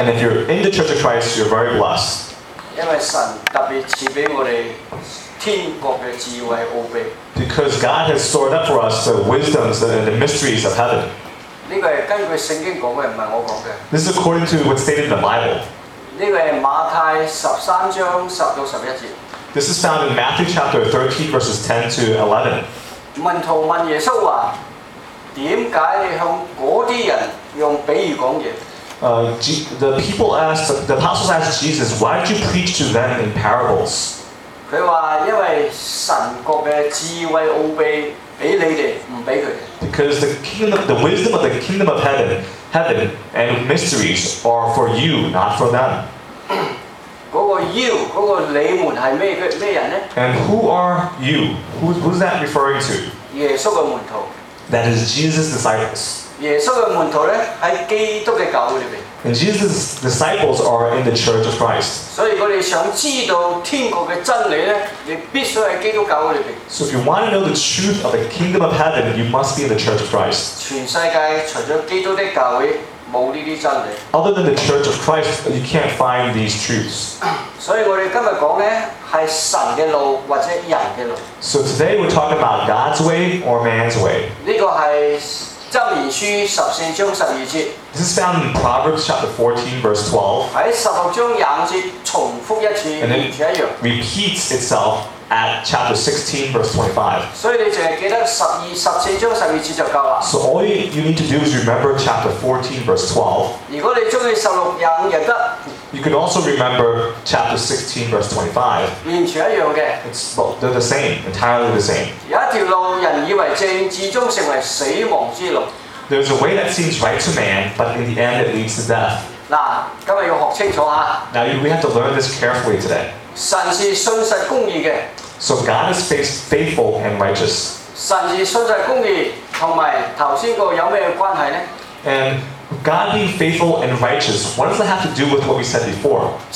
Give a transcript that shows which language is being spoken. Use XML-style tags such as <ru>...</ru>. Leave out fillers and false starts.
<en>And if you're in the Church of Christ, you're very blessed.</en> <yue>因為神特別賜俾我哋天國嘅智慧奧秘。</yue> <en>Because God has stored up for us the wisdoms and the mysteries of heaven.</en> <yue>呢個係根據聖經講嘅，唔係我講嘅。</yue> <en>This is according to what's stated in the Bible.</en> <yue>这个是马太十三章十到十一节。</yue> <en>This is found in Matthew chapter 13, verses 10 to 11.</en> <yue>门徒问耶稣话：点解你向嗰啲人用比喻讲嘢？</yue> <en>The apostles asked Jesus, why did you preach to them in parables?</en> <yue>他说：因为神国的智慧奥秘俾你哋，唔俾佢哋。</yue> <en>Because the wisdom of the kingdom of heaven. Heaven and mysteries are for you, not for them.</en> <yue>嗰个 you, 嗰个你们系咩人咧？</yue> <en>And who are you? Who's that referring to?</en> <yue>耶稣嘅门徒。</yue> <en>That is Jesus' disciples.</en> <yue>耶稣嘅门徒咧喺基督嘅教会里边。</yue> <en>And Jesus' disciples are in the Church of Christ.</en> <yue>所以如果你想知道天国嘅真理咧，你必须喺基督教会里边。</yue> <en>So if you want to know the truth of the kingdom of heaven, you must be in the Church of Christ.</en> <yue>全世界除咗基督的教会，冇呢啲真理。</yue> <en>Other than the Church of Christ, you can't find these truths.</en> <yue>所以我哋今日讲咧系神嘅路或者人嘅路。</yue> <en>So today we're talking about God's way or man's way.</en> <yue>呢个系。箴言书十四章十二节。</yue> <en>This is found in Proverbs chapter 14, verse 12.</en> <yue>喺十六章廿五节重复一次，完全一样。</yue> <en>Repeats itself at chapter 16, verse 25.</en> <yue>所以你净系记得十四章十二节就够啦。</yue> <en>So all you need to do is remember chapter 14, verse 12.</en> <yue>如果你中意十六廿五亦得。</yue> <en>You can also remember chapter 16, verse 25.</en> <yue>完全一样嘅。</yue> <en>It's they're the same, entirely the same.</en> <yue>有一条路人以为正，至终成为死亡之路。</yue> <en>There's a way that seems right to man, but in the end it leads to death.</en> <yue>嗱，今日要学清楚啊。</yue> <en>Now we have to learn this carefully today.</en> <yue>神是信实公义嘅。</yue> <en>So God is faithful and righteous.</en> <yue>神是信实公义，同埋头先个有咩关系呢？</yue> <en>AndGod being faithful and righteous, what does that have to do with what we said before?</en>